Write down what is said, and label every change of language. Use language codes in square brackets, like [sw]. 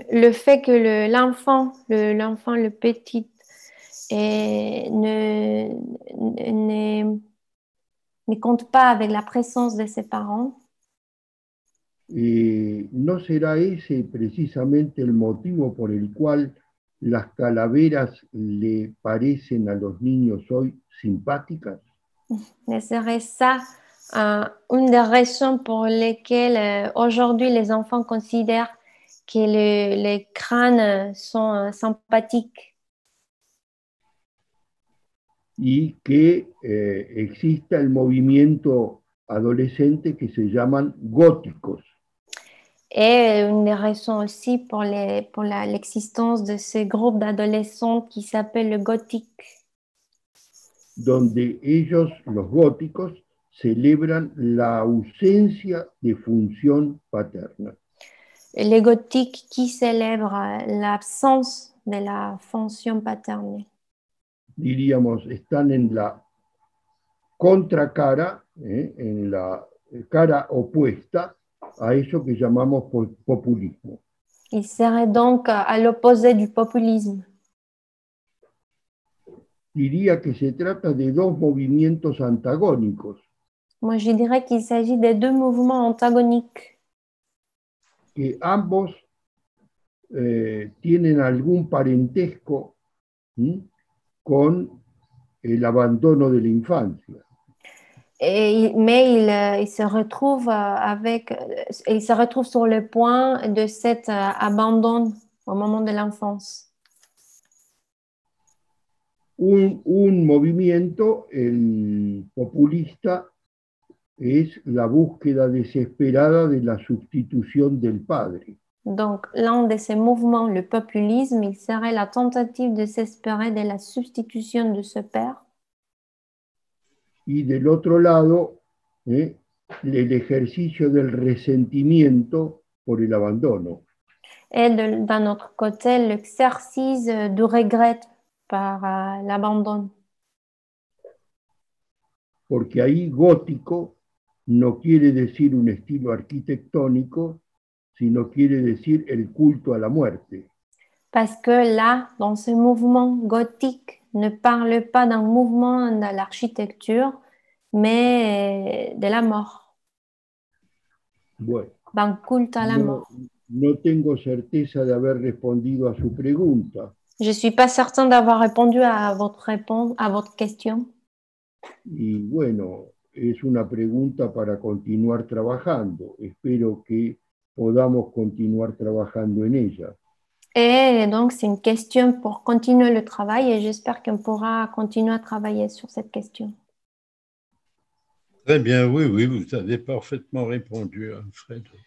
[fr] Que le fait que l'enfant, le petit, ne compte pas avec la présence de ses parents. [es] ¿No será ese precisamente el motivo por el cual las calaveras le parecen a los niños hoy simpáticas? [fr] Mais serait ça une des raisons pour lesquelles aujourd'hui les enfants considèrent que les crânes sont sympathiques. [es] Y que exista el movimiento adolescente que se llaman góticos. [fr] Et une des raisons aussi pour l'existence de ces groupes d'adolescents qui s'appellent le gothique. [es] Donde ellos, los góticos, celebran la ausencia de función paterna. [fr] Les gothiques qui célèbrent l'absence de la fonction paternelle. [es] Diríamos, están en la contracara, en la cara opuesta a eso que llamamos populismo. [fr] Il serait donc à l'opposé du populisme. [es] Diría que se trata de dos movimientos antagónicos [fr] Moi, je dirais qu'il s'agit de deux mouvements antagoniques. [es] que ambos tienen algún parentesco con el abandono de la infancia. [fr] Mais il se retrouve avec, il se retrouve sur le point de cet abandon au moment de l'enfance. [es] Un movimiento, el populista, es la búsqueda desesperada de la sustitución del padre. [fr] Donc, l'un de ces mouvements, le populisme, il serait la tentative de s'espérer de la substitution de ce père. [es] Y del otro lado, el ejercicio del resentimiento por el abandono. [fr] Et d'un autre côté, l'exercice du regret par l'abandon. [es] Porque ahí gótico no quiere decir un estilo arquitectónico, sino quiere decir el culto a la muerte. [fr] Parce que là, dans ce mouvement gothique, ne parle pas d'un mouvement de l'architecture, mais de la mort. [es] Bueno, [fr] D'un culte à la mort. [es] no tengo certeza de haber respondido a su pregunta. [fr] Je ne suis pas certain d'avoir répondu à votre réponse, à votre question. [es] Y bueno, es una pregunta para continuar trabajando. Espero que podamos continuar trabajando en ella. [fr] Et donc, c'est une question pour continuer le travail et j'espère qu'on pourra continuer à travailler sur cette question. Très bien, oui, vous avez parfaitement répondu, Alfred.